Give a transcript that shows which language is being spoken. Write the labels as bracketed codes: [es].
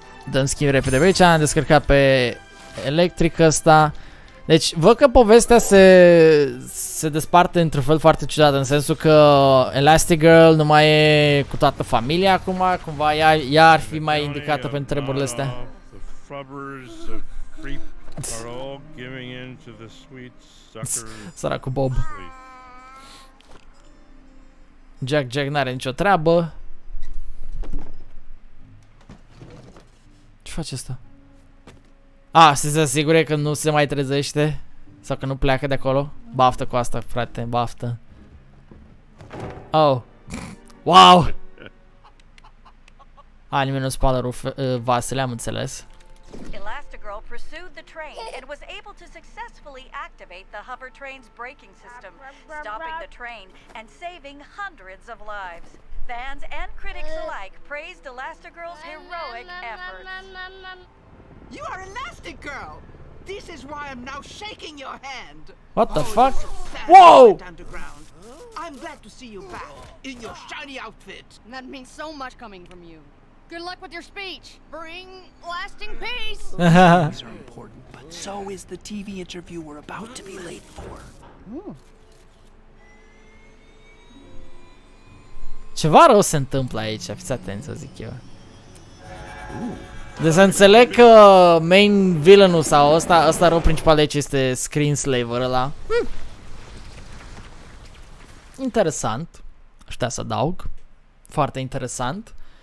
[ro] Dăm schimb repede pe aici, am descărcat pe electric ăsta. Deci, văd că povestea se desparte într-un fel foarte ciudat, în sensul că Elastigirl nu mai e cu toată familia acum, cumva ea ar fi mai indicată pentru treburile astea. [en] The frubbers, the creep are all giving in to the sweet suckers. [ro] Săracu Bob. Jack n-are nicio treabă. Ce face asta? A, să se asigure că nu se mai trezește sau că nu pleacă de acolo. Baftă cu asta, frate, baftă. Oh. Wow. A, nimeni nu spală vasele, am înțeles. [en] Elastigirl pursued the train and was able to successfully activate the hover train's braking system, stopping the train and saving hundreds of lives. Fans and critics alike praised Elastigirl's heroic efforts. You are Elastigirl. This is why I'm now shaking your hand. What the fuck? Whoa! I'm glad to see you back in your shiny outfit. That means so much coming from you. Good luck with your speech. Bring lasting peace. These are important, but so is the TV interview we're about to be late for. [ro] Ceva rău se întâmplă aici, fiți atenți, o zic eu. Deci să înțeleg că main villain-ul sau ăsta rău principal de aici este Screenslaver ăla. Interesant, aș putea să adaug. Foarte interesant.